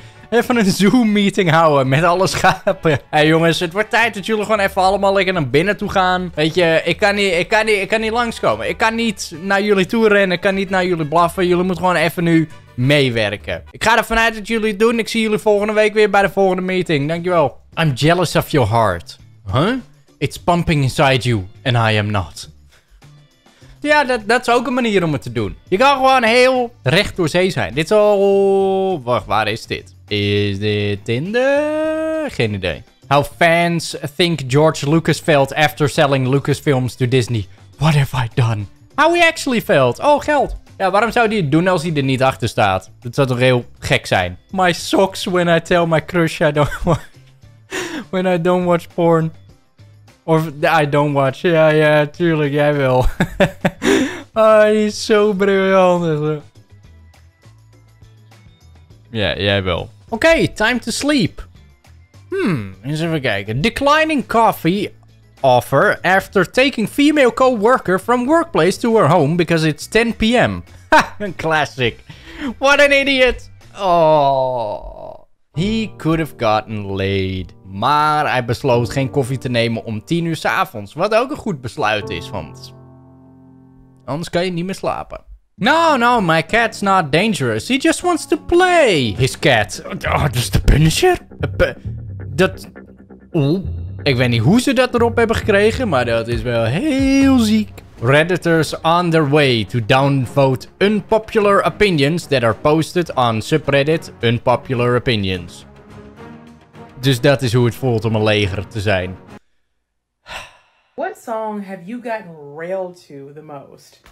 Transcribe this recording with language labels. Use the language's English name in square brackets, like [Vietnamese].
[Dutch] Even een Zoom meeting houden met alle schapen. Hey jongens, het wordt tijd dat jullie gewoon even allemaal lekker naar binnen toe gaan. Weet je, ik kan niet langskomen. Ik kan niet naar jullie toe rennen. Ik kan niet naar jullie blaffen. Jullie moeten gewoon even nu meewerken. Ik ga ervan uit dat jullie het doen. Ik zie jullie volgende week weer bij de volgende meeting. Dankjewel. [English] I'm jealous of your heart. Huh? It's pumping inside you and I am not. [Dutch] Ja, dat is ook een manier om het te doen. Je kan gewoon heel recht door zee zijn. Dit is al... Wacht, waar is dit? Is dit Tinder? Geen idee. [English] How fans think George Lucas felt after selling Lucasfilms to Disney. What have I done? How he actually felt. [Dutch] Oh, geld. Ja, waarom zou hij het doen als hij er niet achter staat? Dat zou toch heel gek zijn. [English] My socks when I tell my crush I don't want... When I don't watch porn. Of I don't watch. [Dutch] Ja, ja, tuurlijk, jij wel. Oh, hij is zo briljant. Ja, jij wel. Oké, [English] time to sleep. [Dutch] Eens even kijken. [English] Declining coffee offer after taking female co-worker from workplace to her home because it's 10 p.m. Ha, classic. What an idiot. Oh. He could have gotten laid. [Dutch] Maar hij besloot geen koffie te nemen om 10 uur 's avonds. Wat ook een goed besluit is, want anders kan je niet meer slapen. [English] No, no, my cat's not dangerous. He just wants to play. His cat. [Dutch] Oh, dat is de Punisher? Dat... Oeh. Ik weet niet hoe ze dat erop hebben gekregen, maar dat is wel heel ziek. [English] Redditors on their way to downvote unpopular opinions that are posted on subreddit unpopular opinions. [Dutch] Dus dat is hoe het voelt om een leger te zijn. [English] What song have you gotten railed to the most?